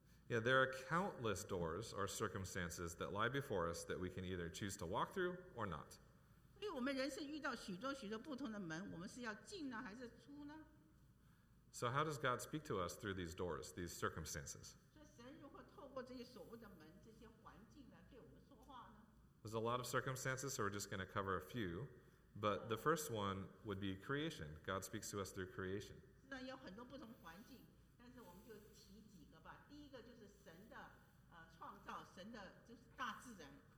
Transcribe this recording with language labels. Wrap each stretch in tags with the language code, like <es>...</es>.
<en>Yeah, there are countless doors or circumstances that lie before us that we can either choose to walk through or not.</en> <zh>所以我们人生遇到许多许多不同的门，我们是要进呢，还是出呢？</zh> <en>So how does God speak to us through these doors, these circumstances?</en> <zh>所以神如何透过这些所谓的门，这些环境来对我们说话呢？</zh> <en>There's a lot of circumstances, so we're just going to cover a few. But the first one would be creation. God speaks to us through creation.</en> <zh>那有很多不同环境，但是我们就提几个吧。第一个就是神的创造，神的就是大自然。</zh>